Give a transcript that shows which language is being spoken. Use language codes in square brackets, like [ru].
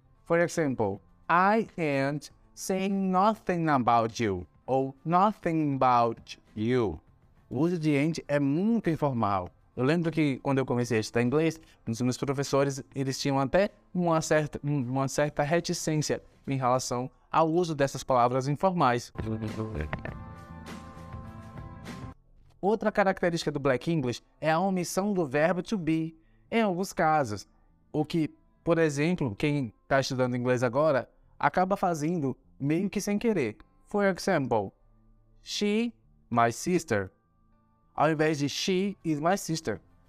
[en] For example, I ain't saying nothing about you, ou nothing about you. [pt] O uso de ain't é muito informal. Eu lembro que quando eu comecei a estudar inglês, os meus professores, eles tinham até uma certa reticência em relação ao uso dessas palavras informais. Outra característica do Black English é a omissão do verbo to be, em alguns casos. O que, por exemplo, quem está estudando inglês agora, acaba fazendo meio que sem querer. [en] For example, she, my sister. [pt] Ao invés de [en] she is my sister.